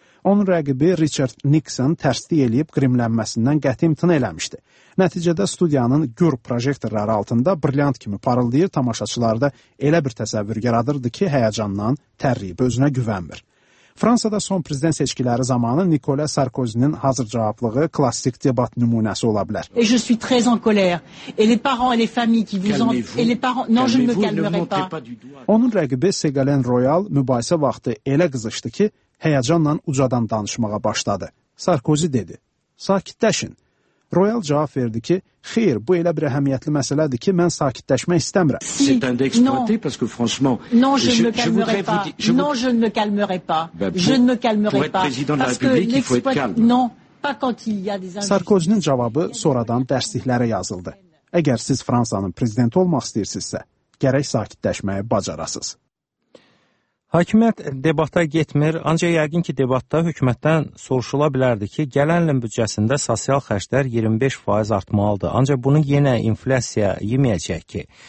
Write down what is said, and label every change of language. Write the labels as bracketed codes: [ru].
[az] Onun rəqibi Richard Nixon tərsliyə eləyib qrimlənməsindən qəti imtina eləmişdi. Nəticədə studiyanın gür projektorları altında brilliant kimi parıldayır, tamaşaçılarda elə bir təsəvvür yaradırdı ki, həyəcandan tərriyib özünə güvənmir. Fransada son prezident seçkiləri zamanı Nicolas Sarkozy'nin hazır cavablığı klassik debat nümunəsi ola bilər. [fr] Et je suis très en colère. Et les parents et les familles qui vous ont et les parents non, je ne me calmerai pas. [az] Onun rəqibi Ségolène Royal mübahisə vaxtı elə qızışdı ki, həyəcanla ucadan danışmağa başladı. Sarkozy dedi, sakitləşin. Royal cavab verdi ki, xeyr, bu elə bir əhəmiyyətli məsələdir ki, mən sakitləşmək istəmirəm. [fr] C'est un exploité parce que franchement, non, je ne me calmerai pas. Non, je ne me calmerai pas. Je ne me calmerai pas. Pour être président de la République, il faut être calme. Non, pas quand il y a des injustices. [az] Sarkozy'nin cavabı sonradan dərsliklərə yazıldı. Əgər siz Fransanın prezidenti olmaq istəyirsinizsə, gərək sakitləşməyi bacarasınız. Hakimiyyət debata getmir, ancaq yəqin ki, debatda hökumətdən soruşula bilərdi ki, gələn ilin büdcəsində sosial xərclər 25% artmalıdır, ancaq bunu yenə inflyasiya yeməyəcək ki.